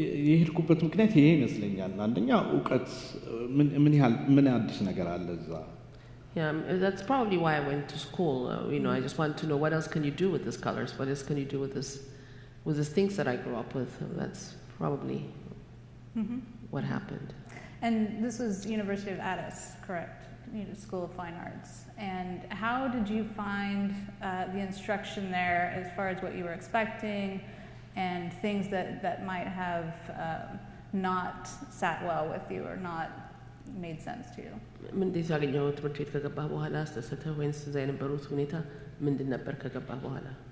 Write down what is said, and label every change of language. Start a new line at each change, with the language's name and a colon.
Amharic: የሄድኩበት ምክንያት ይሄ ይመስለኛል። አንደኛ ዕውቀት ምን ያህል ምን አዲስ ነገር አለ እዛ?
English: Yeah, that's probably why I went to school. You know, I just wanted to know what else can you do with these colors? What else can you do with these things that I grew up with? That's probably what happened. And this was University of Addis, correct? You know, School of Fine Arts. And how did you find the instruction there as far as what you were expecting and things that, that might have not sat well with you or not made sense to you?
Amharic: ምንድን ያገኘው ትምህርት ቤት ከገባህ በኋላ አስተሳሰብህ ወይስ እዛ የነበሩት ሁኔታ ምንድን ነበር ከገባህ በኋላ?